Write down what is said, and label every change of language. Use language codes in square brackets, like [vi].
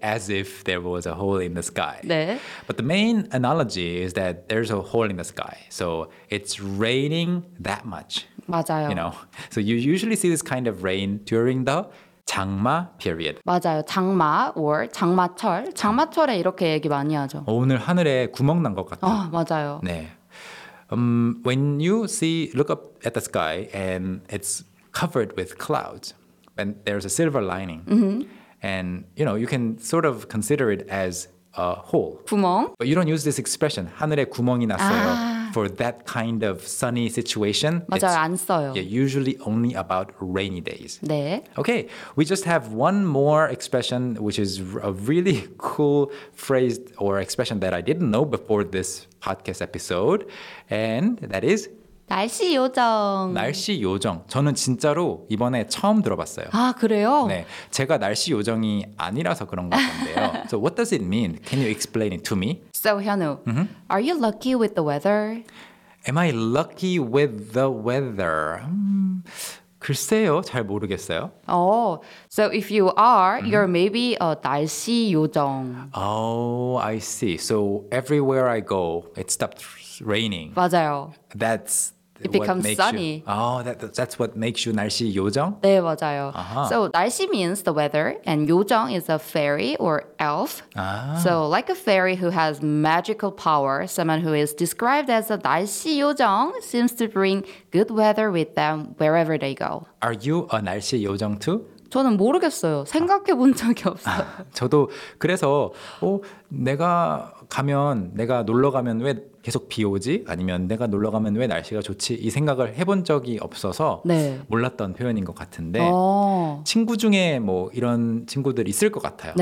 [en] As if there was a hole in the sky. [ko] 네. [en] But the main analogy is that there's a hole in the sky. So it's raining that much. [ko] 맞아요. [en] You know, so you usually see this kind of rain during the 장마 period. [ko] 맞아요. 장마 or 장마철. 장마철에 이렇게 얘기 많이 하죠. 어, 오늘 하늘에 구멍 난 것 같아. 어, 맞아요. 네. [en] When you see, look up at the sky and it's covered with clouds and there's a silver lining. Mm-hmm. And, you know, you can sort of consider it as a hole. [ko] 구멍. [en] But you don't use this expression, [ko] 하늘에 구멍이 났어요. 아. [en] For that kind of sunny situation, [ko] 맞아요, 안 써요. [en] Yeah, usually only about rainy days. [ko] 네. [en] Okay, we just have one more expression, which is a really cool phrase or expression that I didn't know before this podcast episode, and that is [ko] 날씨 요정. 날씨 요정. 저는 진짜로 이번에 처음 들어봤어요. 아, 그래요? 네, 제가 날씨 요정이 아니라서 그런 것 같은데요. [en] So what does it mean? Can you explain it to me? So Hyunwoo, are you lucky with the weather? Am I lucky with the weather? [ko] 글쎄요, 잘 모르겠어요. [en] Oh, so if you are, you're maybe a 날씨 요정. Oh, I see. So everywhere I go, it stopped raining. [ko] 맞아요. [en] That's it becomes what makes sunny. You, oh, that's what makes you 날씨 요정? [ko] 네, 맞아요. [en] Uh-huh. So 날씨 means the weather, and 요정 is a fairy or elf. Ah. So like a fairy who has magical power, someone who is described as a 날씨 요정 seems to bring good weather with them wherever they go. Are you a 날씨 요정 too? [ko] 저는 모르겠어요. 생각해 본 적이 없어요. 저도 그래서 내가 가면 내가 놀러 가면 왜 계속 비 오지? 아니면 내가 놀러 가면 왜 날씨가 좋지? 이 생각을 해본 적이 없어서 네. 몰랐던 표현인 것 같은데 오. 친구 중에 뭐 이런 친구들 있을 것 같아요.